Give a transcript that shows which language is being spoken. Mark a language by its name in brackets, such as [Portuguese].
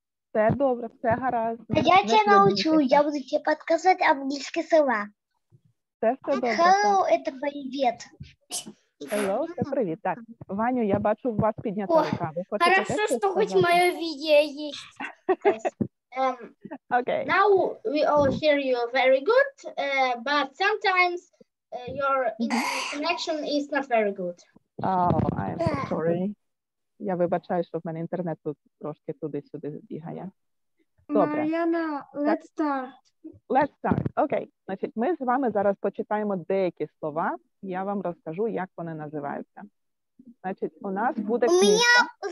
[Ukrainian] Все добре, все гаразд. А я тебе научу, я буду тебе підказати англійські слова. Все добре. Hello, це привіт. Hello, це привіт. Так, Ваню, я бачу, у вас піднята рука. Хорошо, що хоч моє відео є. [English] Okay. Now we all hear you very good, but sometimes your connection is not very good. Oh, I'm sorry. [Ukrainian] Я вибачаю, що в мене інтернет тут трошки туди-сюди бігає. Добре. [English] Мар'яна, let's start. Let's start. Okay. [Ukrainian] Значить, ми з вами зараз почитаємо деякі слова. Я вам розкажу, як вони називаються. Значить, у нас буде книжка.